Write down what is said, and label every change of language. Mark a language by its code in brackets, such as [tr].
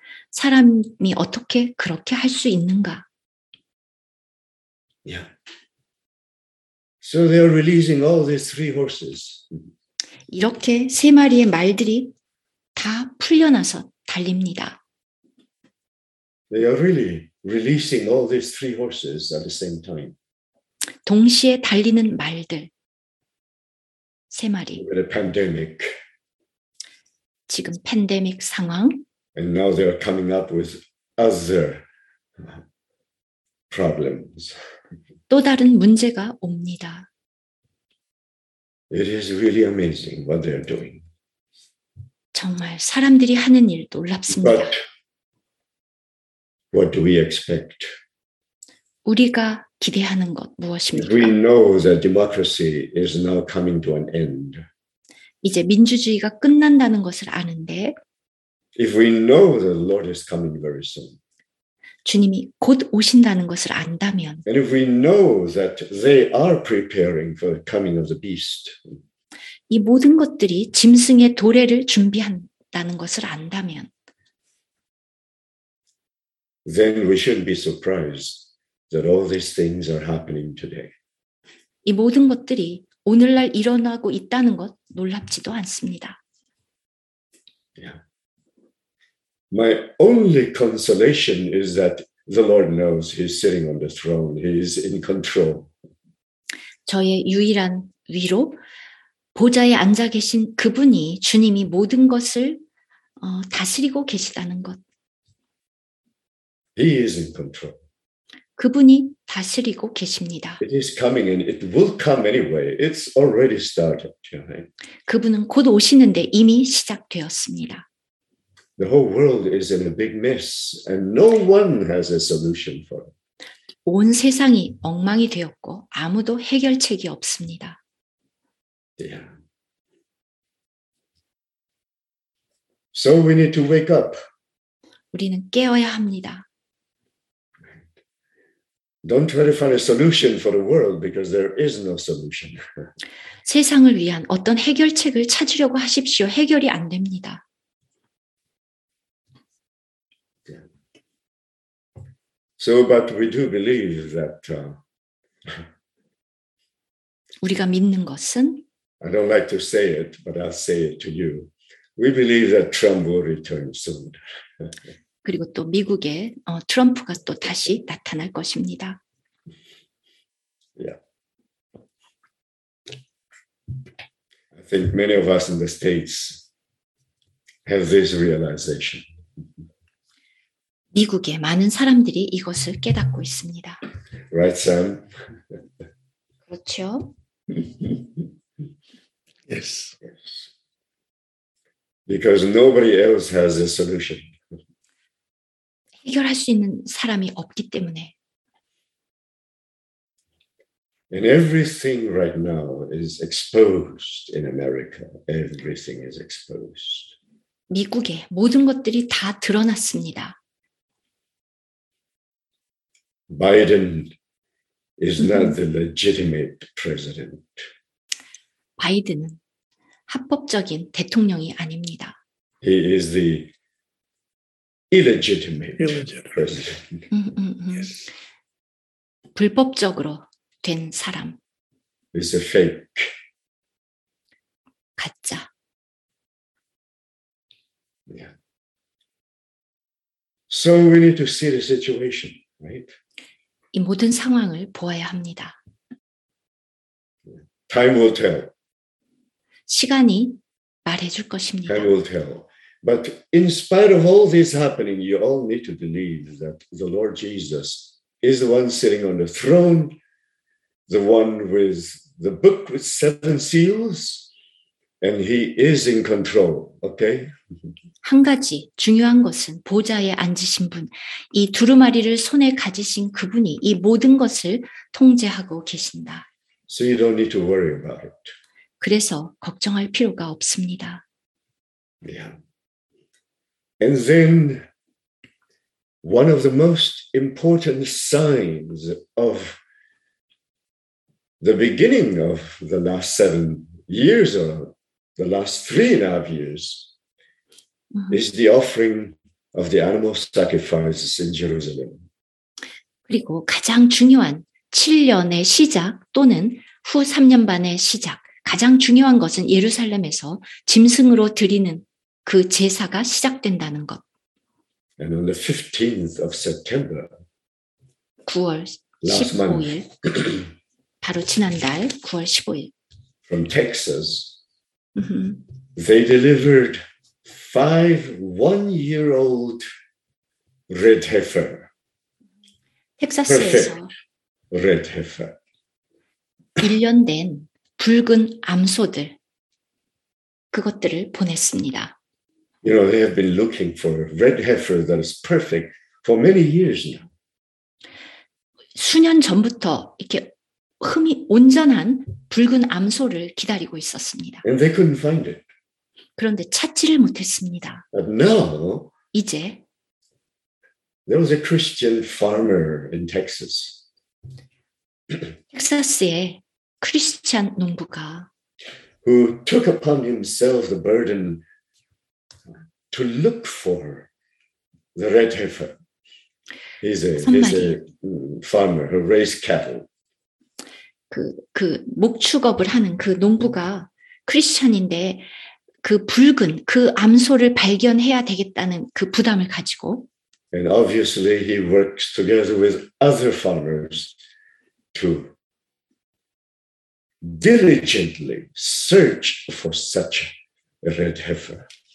[ko] 사람이 어떻게 그렇게 할 수 있는가? [en] So they are releasing all these three horses. [ko] 이렇게 세 마리의 말들이 다 풀려나서 달립니다. [en] They are really releasing all these three horses at the same time. [ko] 동시에 달리는 말들 세 마리. [en] With a pandemic. [ko] 지금 팬데믹 상황. [en] And now they are coming up with other problems. [ko] 또 다른 문제가 옵니다. [en] It is really amazing what they are doing. [ko] 정말 사람들이 하는 일 놀랍습니다. [en] But what do we expect? [ko] 우리가 기대하는 것 무엇입니까? [en] We know that democracy is now coming to an end. [ko] 이제 민주주의가 끝난다는 것을 아는데. [en] If we know the Lord is coming very soon. [ko] 주님이 곧 오신다는 것을 안다면. [en] And if we know that they are preparing for the coming of the beast. [ko] 이 모든 것들이 짐승의 도래를 준비한다는 것을 안다면. [en] Then we shouldn't be surprised. That all these things are happening today. [ko] 이 모든 것들이 오늘날 일어나고 있다는 것 놀랍지도 않습니다. [en] My only consolation is that the Lord knows He's sitting on the throne. He is in control. [ko] 저의 유일한 위로 보좌에 앉아 계신 그분이 주님이 모든 것을 다스리고 계시다는 것. [en] He is in control. [ko] 그분이 다스리고 계십니다. [en] It is coming and it will come anyway. It's already started. Right? [ko] 그분은 곧 오시는데 이미 시작되었습니다. [en] The whole world is in a big mess and no one has a solution for it. [ko] 온 세상이 엉망이 되었고 아무도 해결책이 없습니다. [en] So we need to wake up. [ko] 우리는 깨어야 합니다. [en] Don't try to find a solution for the world because there is no solution. [ko] 세상을 위한 어떤 해결책을 찾으려고 하십시오. 해결이 안 됩니다. [en] So, but we do believe that. [ko] 우리가 믿는 것은. [en] I don't like to say it, but I'll say it to you. We believe that Trump will return soon. [ko] 그리고 또 미국에 트럼프가 또 다시 나타날 것입니다. [en] Yeah. I think many of us in the States have this realization. [ko] 미국의 많은 사람들이 이것을 깨닫고 있습니다. [en] Right, Sam? [ko] 그렇죠. [en] Yes. Because nobody else has a solution. [ko] 해결할 수 있는 사람이 없기 때문에. [en] And everything right now is exposed in America. Everything is exposed. [ko] 미국의 모든 것들이 다 드러났습니다. [en] Biden is not the legitimate president. [ko] 바이든은 합법적인 대통령이 아닙니다. [en] He is the illegitimate president. [ko] 불법적으로 된 사람. [en] He's a fake. [ko] 가짜. [en] Yeah. So we need to see the situation, right? [ko] 이 모든 상황을 보아야 합니다. [en] Time will tell. [ko] 시간이 말해줄 것입니다. [en] Time will tell. But in spite of all this happening, you all need to believe that the Lord Jesus is the one sitting on the throne, the one with the book with seven seals, and he is in control, okay? [ko] 한 가지 중요한 것은 보좌에 앉으신 분, 이 두루마리를 손에 가지신 그분이 이 모든 것을 통제하고 계신다. [en] So you don't need to worry about it. [ko] 그래서 걱정할 필요가 없습니다. [en] Yeah. And then one of the most important signs of the beginning of the last seven years or the last 3.5 years is the offering of the animal sacrifices in Jerusalem. [ko] 그리고 가장 중요한 7년의 시작 또는 후 3년 반의 시작 가장 중요한 것은 예루살렘에서 짐승으로 드리는 그 제사가 시작된다는 것. [en] And on the 15th of September, [ko] 9월 15일, 바로 지난달 9월 15일, [en] from Texas, they delivered five 1-year-old red heifer. [ko] 텍사스에서 [en] Perfect red heifer. [ko] 1년 된 붉은 암소들 그것들을 보냈습니다. [en] You know, they have been looking for a red heifer that is perfect for many years now. [ko] 수년 전부터 이렇게 흠이 온전한 붉은 암소를 기다리고 있었습니다. [en] And they couldn't find it. [ko] 그런데 찾지를 못했습니다. [en] But now, [ko] 이제 [en] there was a Christian farmer in Texas. [ko] 텍사스에 크리스찬 농부가 [en] who took upon himself the burden to look for the red heifer. He's a farmer who raised cattle. [ko] 그 목축업을 하는 그 농부가 크리스찬인데 그 붉은 그 암소를 발견해야 되겠다는 그 부담을 가지고 [en] And obviously he works together with other farmers to diligently search for such a red heifer.